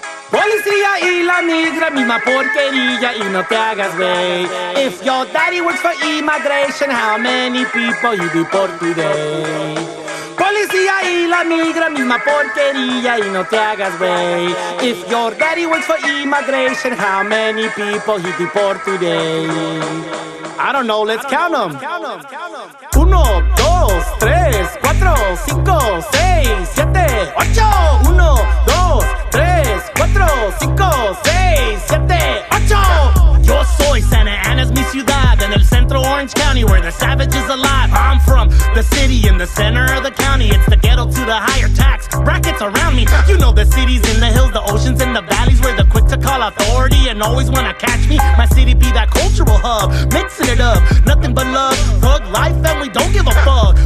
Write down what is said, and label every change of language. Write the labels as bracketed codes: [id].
[es] Policía y la negra, misma porquería y no te hagas güey. [en] If your daddy works for immigration, how many people you deport today? [es] Policía y la migra, misma porquería y no te hagas wey. [en] If your daddy works for immigration, how many people he deport today? I don't know, let's count them. [es] Uno, dos, tres, cuatro, cinco, seis, siete, ocho. Uno, dos, tres, cuatro, cinco, seis, siete, ocho. Yo soy Santa Ana's mi ciudad. En el centro [en] Orange County, where the savage is alive. I'm from the city in the center of the county. It's the ghetto to the higher tax brackets around me. You know the cities in the hills, the oceans and the valleys, where the quick to call authority and always wanna catch me. My city be that cultural hug, mixing it up, nothing but love, thug life, and we don't give a fuck.